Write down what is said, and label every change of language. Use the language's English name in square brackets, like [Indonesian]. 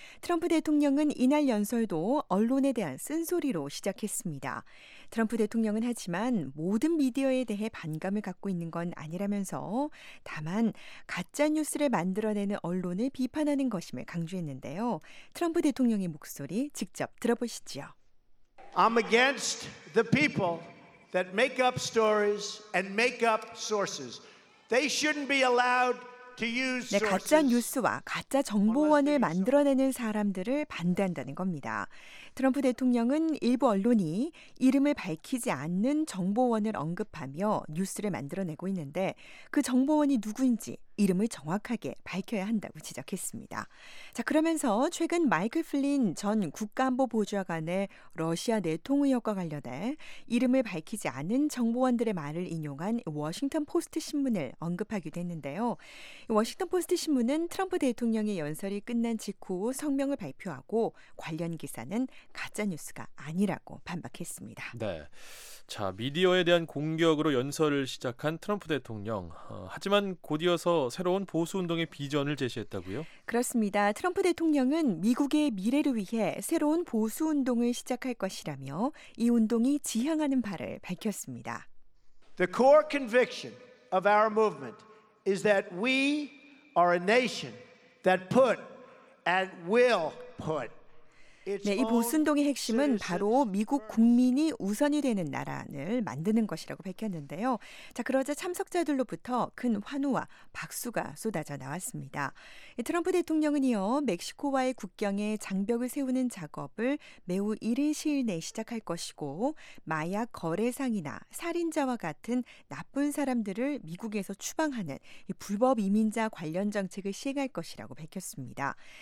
[Korean] 트럼프 대통령은 이날 연설도 언론에 대한 쓴소리로 시작했습니다. 트럼프 대통령은 하지만 모든 미디어에 대해 반감을 갖고 있는 건 아니라면서 다만 가짜뉴스를 만들어내는 언론을 비판하는 것임을 강조했는데요. 트럼프 대통령의 목소리 직접 들어보시죠. [English] I'm against the people that make up stories and make up sources. They shouldn't be allowed to use sources. [Korean] 네, 가짜뉴스와 가짜정보원을 만들어내는 사람들을 반대한다는 겁니다. 트럼프 대통령은 일부 언론이 이름을 밝히지 않는 정보원을 언급하며 뉴스를 만들어내고 있는데 그 정보원이 누구인지 이름을 정확하게 밝혀야 한다고 지적했습니다. 자, 그러면서 최근 마이클 플린 전 국가안보보좌관의 러시아 내통 의혹과 관련해 이름을 밝히지 않은 정보원들의 말을 인용한 워싱턴포스트 신문을 언급하기도 했는데요. 워싱턴포스트 신문은 트럼프 대통령의 연설이 끝난 직후 성명을 발표하고 관련 기사는 가짜뉴스가 아니라고 반박했습니다. 네. 자, 미디어에 대한 공격으로 연설을 시작한 트럼프 대통령. 하지만 곧이어서 새로운 보수운동의 비전을 제시했다고요? 그렇습니다. 트럼프 대통령은 미국의 미래를 위해 새로운 보수운동을 시작할 것이라며 이 운동이 지향하는 바를 밝혔습니다. [English] The core conviction of our movement is that we are a nation that put and will put. [Korean] 네, 이 보수운동의 핵심은 바로 미국 국민이 우선이 되는 나라를 만드는 것이라고 밝혔는데요. 자, 그러자 참석자들로부터 큰 환호와 박수가 쏟아져 나왔습니다. 트럼프 대통령은 이어 멕시코와의 국경에 장벽을 세우는 작업을 매우 이른 시일 내에 시작할 것이고 마약 거래상이나 살인자와 같은 나쁜 사람들을 미국에서 추방하는 이 불법 이민자 관련 정책을 시행할 것이라고 밝혔습니다.